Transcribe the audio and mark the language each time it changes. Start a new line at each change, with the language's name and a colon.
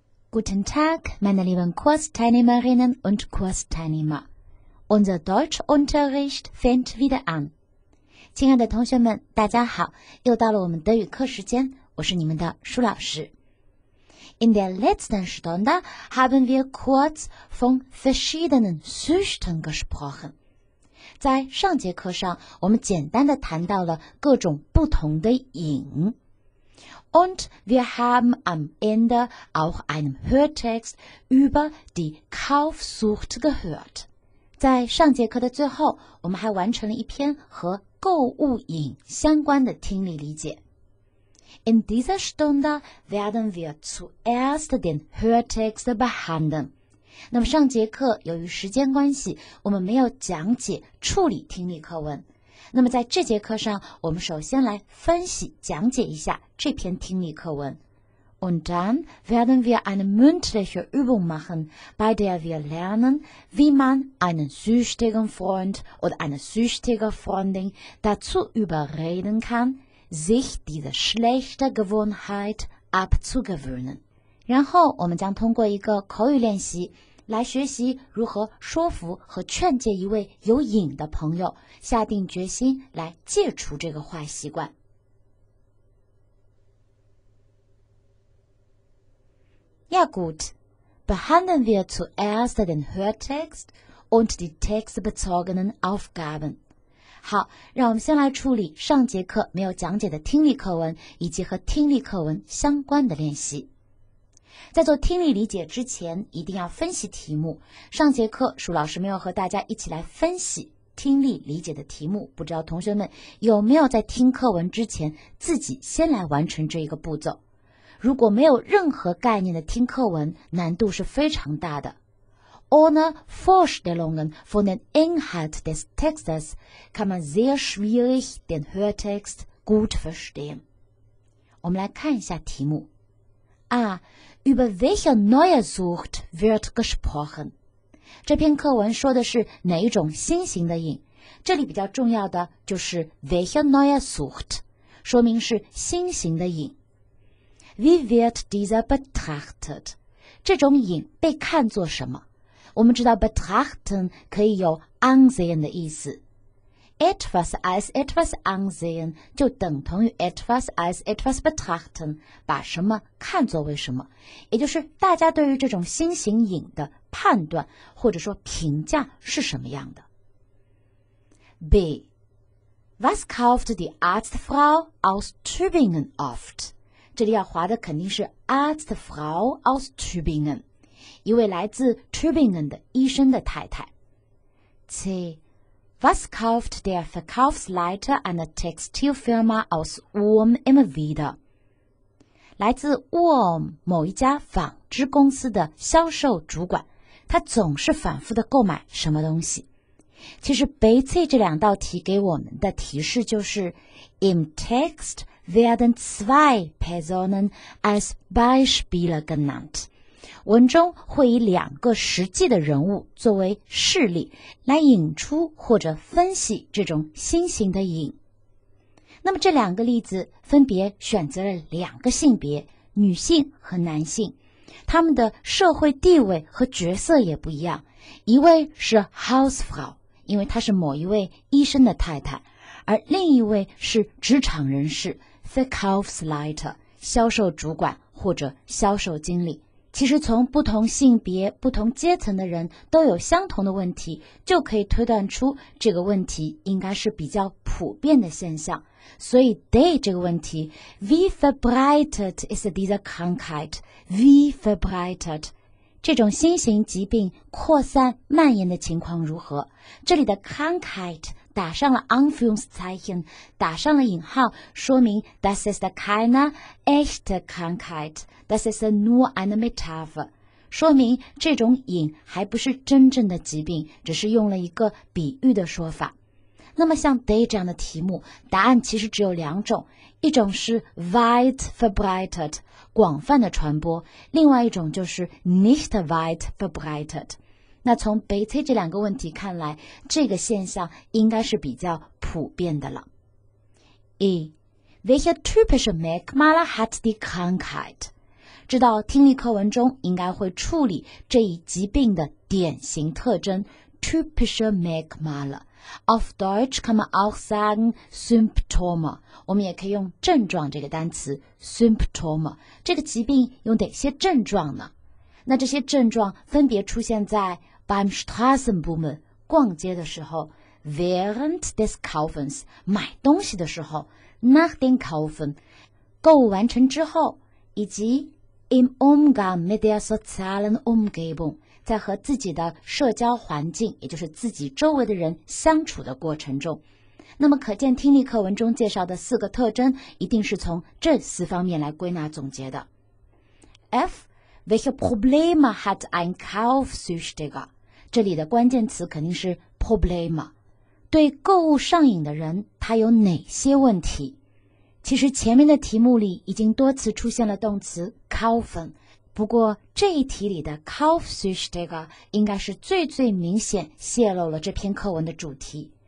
German: Guten Tag, meine lieben Kursteilnehmerinnen und Kursteilnehmer. Unser Deutschunterricht fängt wieder an.
Chinese: 亲爱的同学们，大家好，又到了我们德语课时间，我是你们的舒老师。
German: In der letzten Stunde haben wir kurz von verschiedenen Süchten gesprochen.
Chinese: 在上节课上，我们简单地谈到了各种不同的瘾。
German: Und wir haben am Ende auch einen Hörtext über die Kaufsucht gehört.
Chinese: 在上节课的最后，我们还完成了一篇和购物瘾相关的听力理解。
German: In dieser Stunde werden wir zuerst den Hörtext behandeln.
Chinese: 那么上节课由于时间关系，我们没有讲解处理听力课文。那么在这节课上，我们首先来分析讲解一下这篇听力课文。
German: Und dann werden wir eine mündliche Übung machen, bei der wir lernen, wie man einen süchtigen Freund oder eine süchtige Freundin dazu überreden kann,sich diese schlechte Gewohnheit abzugewöhnen.
Chinese: 然后我们将通过一个口语练习来学习如何说服和劝诫一位有瘾的朋友下定决心来戒除这个坏习惯。
German: Ja gut, behandeln wir zuerst den Hörtext und die textbezogenen Aufgaben.
Chinese: 好，让我们先来处理上节课没有讲解的听力课文以及和听力课文相关的练习。在做听力理解之前，一定要分析题目。上节课舒老师没有和大家一起来分析听力理解的题目，不知道同学们有没有在听课文之前自己先来完成这一个步骤。如果没有任何概念的听课文，难度是非常大的。
German: Ohne Vorstellungen von den Inhalt des Textes kann man sehr schwierig den Hörtext gut verstehen.
Chinese: 我们来看一下题目。A.
German: Über welche neue Sucht wird gesprochen?
Chinese: 这篇课文说的是哪一种新型的瘾？这里比较重要的就是
German: welche neue Sucht,
Chinese: 说明是新型的瘾。
German: Wie wird dieser betrachtet?
Chinese: 这种瘾被看作什么？我们知道 betrachten 可以有 ansehen 的意思。
German: Etwas als etwas ansehen
Chinese: 就等同于
German: etwas als etwas betrachten,
Chinese: 把什么看作为什么。也就是大家对于这种新型瘾的判断或者说评价是什么样的。 B.
German: Was kauft die Arztfrau aus Tübingen oft?
Chinese: 这里要划的肯定是 Arztfrau aus Tübingen. 一位来自 Tübingen 的医生的太太。 C.
German: Was kauft der Verkaufsleiter einer Textilfirma aus Ulm immer wieder?
Chinese: 来自 Ulm 某一家纺织公司的销售主管，他总是反复的购买什么东西。其实 B C 这两道题给我们的提示就是 ,
German: Im Text werden zwei Personen als Beispiele genannt.
Chinese: 文中会以两个实际的人物作为事例来引出或者分析这种新型的瘾。那么这两个例子分别选择了两个性别，女性和男性，他们的社会地位和角色也不一样。一位是 Hausfrau, 因为她是某一位医生的太太，而另一位是职场人士 Verkaufsleiter, 销售主管或者销售经理。其实从不同性别、不同阶层的人都有相同的问题，就可以推断出这个问题应该是比较普遍的现象。所以
German: day
Chinese: 这个问题
German: ,wie verbreitet is diese Krankheit?wie verbreitet?
Chinese: 这种新型疾病扩散蔓延的情况如何？这里的 Krankheit 打上了 Anführungszeichen, 打上了引号，说明
German: das ist keine echte Krankheit. This is nur eine Metapher,
Chinese: 说明这种瘾还不是真正的疾病，只是用了一个比喻的说法。那么像 day 这样的题目，答案其实只有两种，一种是
German: weit verbreitet,
Chinese: 广泛的传播，另外一种就是
German: nicht weit verbreitet,
Chinese: 那从悲催这两个问题看来，这个现象应该是比较普遍的了。 E.
German: Welcher typische Merkmale hat die Krankheit?
Chinese: 知道听力课文中应该会处理这一疾病的典型特征
German: typische Merkmale。 Auf Deutsch kann man auch sagen Symptome.
Chinese: 我们也可以用症状这个单词 Symptome. 这个疾病有哪些症状呢？那这些症状分别出现在
German: beim Straßenbummel
Chinese: 逛街的时候 ，
German: während des Kaufens
Chinese: 买东西的时候 ，
German: nach dem Kaufen
Chinese: 购物完成之后，以及
German: im Umgang mit der sozialen Umgebung
Chinese: 在和自己的社交环境，也就是自己周围的人相处的过程中。那么可见听力课文中介绍的四个特征，一定是从这四方面来归纳总结的。 F.
German: Welche Probleme hat ein Kaufsüchtiger?
Chinese: 这里的关键词肯定是 Probleme. 对购物上瘾的人，他有哪些问题？其实前面的题目里已经多次出现了动词 Kaufen. 不过这一题里的 Kaufsüchtiger 应该是最最明显泄露了这篇课文的主题。